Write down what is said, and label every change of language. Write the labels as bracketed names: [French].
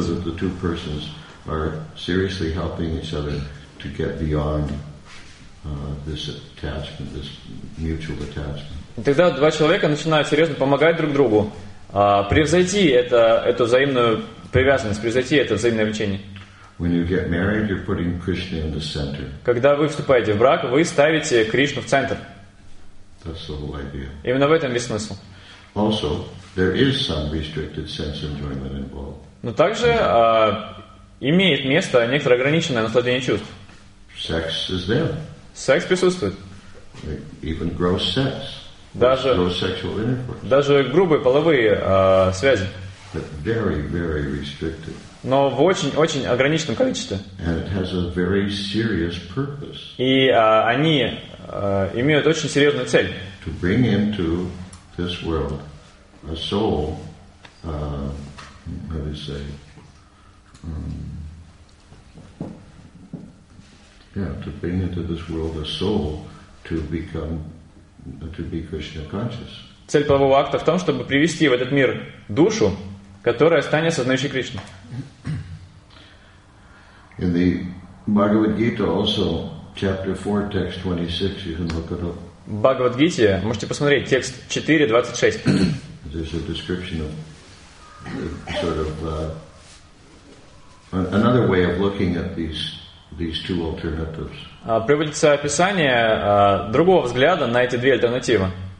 [English] So that the two persons are seriously helping each other to get beyond this attachment, this mutual attachment. [Russian] И тогда два человека начинают серьезно помогать друг другу, превзойти эту взаимную привязанность, превзойти это взаимное влечение. [English] When you get married, you're putting Krishna in the center. [Russian] Когда вы вступаете в брак, вы ставите Кришну в центр. [English] That's the whole idea. [Russian] Именно в этом весь смысл. [English] Also, there is some restricted sense enjoyment involved. [Russian] Но также имеет место некоторое ограниченное наслаждение чувств. [English] Sex is there. [Russian] Секс присутствует. [English] Even gross sex. [Russian] Даже [English] gross sexual intercourse. [Russian] Даже грубые половые связи. [English] But very, very restricted. [Russian] Но в очень-очень ограниченном количестве. [English] And it has a very serious purpose. [Russian] И они имеют очень серьезную цель. [English] To bring into this world a soul, how do you say, to bring into this world a soul to be Krishna conscious. [Russian] Цель полового акта в том, чтобы привести в этот мир душу, которая станет сознающей Кришну. [English] In the Bhagavad Gita also, chapter 4, text 26, you can look it up. [Russian] В Бхагавад-гите можете посмотреть текст 4:26. [English] There's a description of sort of another way of looking at these two alternatives. [Russian] Приводится описание другого взгляда на эти две альтернативы.